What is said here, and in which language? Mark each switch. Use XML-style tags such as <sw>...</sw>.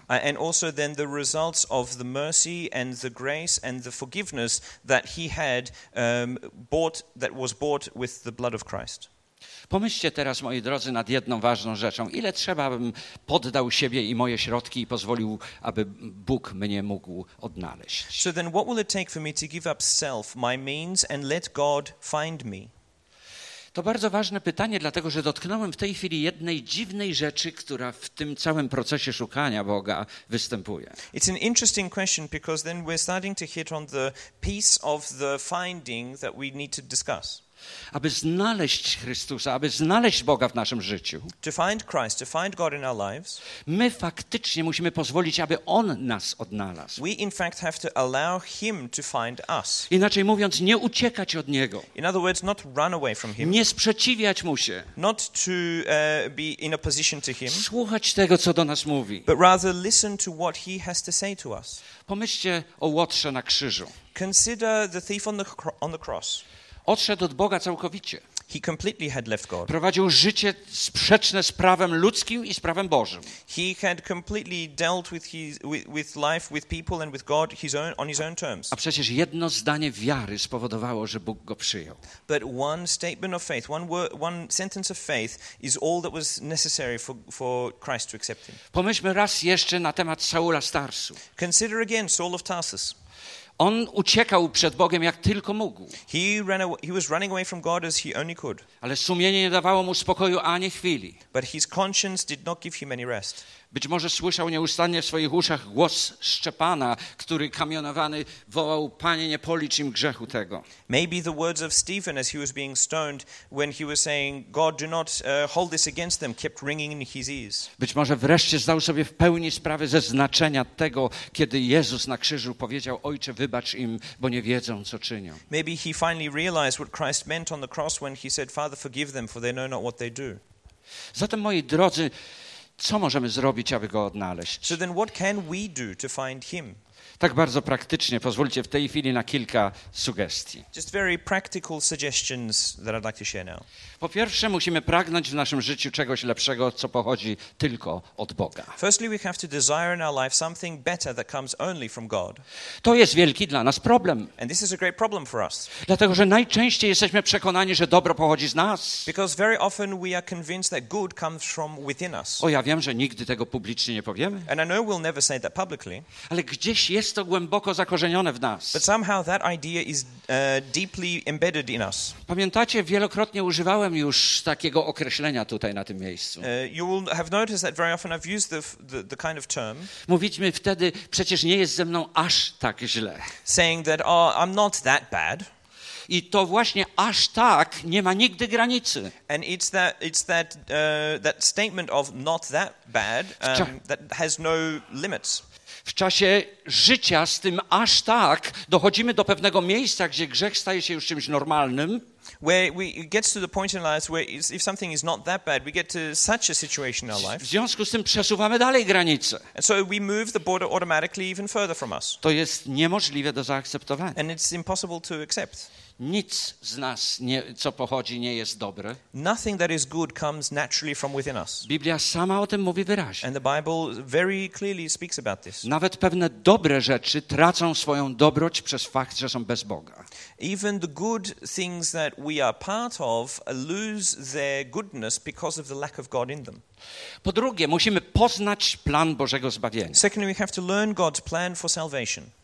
<en>And also then the results of the mercy and the grace and the forgiveness that he had bought with the blood of Christ.</en> <pl>Pomyślcie teraz, moi drodzy, nad jedną ważną rzeczą. Ile trzeba, bym poddał siebie i moje środki i pozwolił, aby Bóg mnie mógł odnaleźć?</pl> <en>So then what will it take for me to give up self, my means, and let God find me?</en> <pl>To bardzo ważne pytanie, dlatego że dotknąłem w tej chwili jednej dziwnej rzeczy, która w tym całym procesie szukania Boga występuje.</pl> <en>It's an interesting question because then we're starting to hit on the piece of the finding that we need to discuss.</en> <pl>Aby znaleźć Chrystusa, aby znaleźć Boga w naszym życiu,</pl> <en>to find Christ, to find God in our lives,</en> <pl>my faktycznie musimy pozwolić, aby On nas odnalazł.</pl> <en>We in fact have to allow Him to find us.</en> <pl>Inaczej mówiąc, nie uciekać od Niego.</pl> <en>In other words, not run away from Him.</en> <pl>Nie sprzeciwiać Mu się.</pl> <en>Not to be in opposition to Him.</en> <pl>Słuchać tego, co do nas mówi.</pl> <en>But rather listen to what He has to say to us.</en> <pl>Pomyślcie o łotrze na krzyżu.</pl> <en>Consider the thief on the cross.</en> <pl>Odszedł od Boga całkowicie.</pl> <en>He completely had left God.</en> <pl>Prowadził życie sprzeczne z prawem ludzkim i z prawem Bożym.</pl> <en>He had completely dealt with life, with people and with God on his own terms.</en> <pl>A przecież jedno zdanie wiary spowodowało, że Bóg go przyjął.</pl> <en>But one statement of faith, one sentence of faith is all that was necessary for Christ to accept him.</en> <pl>Pomyślmy raz jeszcze na temat Saula z Tarsu.</pl> <en>Consider again Saul of Tarsus.</en> <pl>On uciekał przed Bogiem jak tylko mógł.</pl> <en>He was running away from God as he only could.</en> <pl>Ale sumienie nie dawało mu spokoju ani chwili.</pl> <en>But his conscience did not give him any rest.</en> <pl>Być może słyszał nieustannie w swoich uszach głos Szczepana, który kamienowany wołał: Panie, nie policz im grzechu tego.</pl> <en>Maybe the words of Stephen as he was being stoned when he was saying God do not hold this against them kept ringing in his ears.</en> <pl>Być może wreszcie zdał sobie w pełni sprawę ze znaczenia tego, kiedy Jezus na krzyżu powiedział: Ojcze, wybacz im, bo nie wiedzą, co czynią.</pl> <en>Maybe he finally realized what Christ meant on the cross when he said Father forgive them for they know not what they do.</en> <pl>Zatem, moi drodzy, co możemy zrobić, aby go odnaleźć?</pl> <en>So then what can we do to find him?</en> <pl>Tak bardzo praktycznie, pozwólcie w tej chwili na kilka sugestii.</pl> <en>Just very practical suggestions that I'd like to share now.</en> <pl>Po pierwsze, musimy pragnąć w naszym życiu czegoś lepszego, co pochodzi tylko od Boga.</pl> <en>Firstly, we have to desire in our life something better that comes only from God.</en> <pl>To jest wielki dla nas problem.</pl> <en>And this is a great problem for us.</en> <pl>Dlatego, że najczęściej jesteśmy przekonani, że dobro pochodzi z nas.</pl> <en>Because very often we are convinced that good comes from within us.</en> <pl>O, ja wiem, że nigdy tego publicznie nie powiemy.</pl> <en>And I know we'll never say that publicly.</en> <pl>Ale gdzieś jest to głęboko zakorzenione w nas.</pl> <en>But somehow that idea is deeply embedded in us.</en> <pl>Pamiętacie, wielokrotnie używałem już takiego określenia tutaj na tym miejscu.</pl> <en>You will have noticed that very often I've used the kind of term.</en> <pl>Mówiliśmy wtedy, przecież nie jest ze mną aż tak źle.</pl> <en>Saying that, oh, I'm not that bad.</en> <pl>I to właśnie aż tak nie ma nigdy granicy.</pl> <en>And it's that statement of not that bad that has no limits.</en> <pl>W czasie życia z tym aż tak dochodzimy do pewnego miejsca, gdzie grzech staje się już czymś normalnym.</pl> <en>Where we get to the point in life where if something is not that bad, we get to such a situation in our life.</en> <pl>W związku z tym przesuwamy dalej granice.</pl> <en>And so we move the border automatically even further from us.</en> <pl>To jest niemożliwe do zaakceptowania.</pl> <en>And it's impossible to accept.</en> <pl>Nic z nas, nie, co pochodzi, nie jest dobre.</pl> <en>Nothing that is good comes naturally from within us.</en> <pl>Biblia sama o tym mówi wyraźnie.</pl> <en>And the Bible very clearly speaks about this.</en> <pl>Nawet pewne dobre rzeczy tracą swoją dobroć przez fakt, że są bez Boga.</pl> <en>Even the good things that we are part of lose their goodness because of the lack of God in them.</en> <pl>Po drugie, musimy poznać plan Bożego zbawienia.</pl> <en>Secondly, we have to learn God's plan for salvation.</en>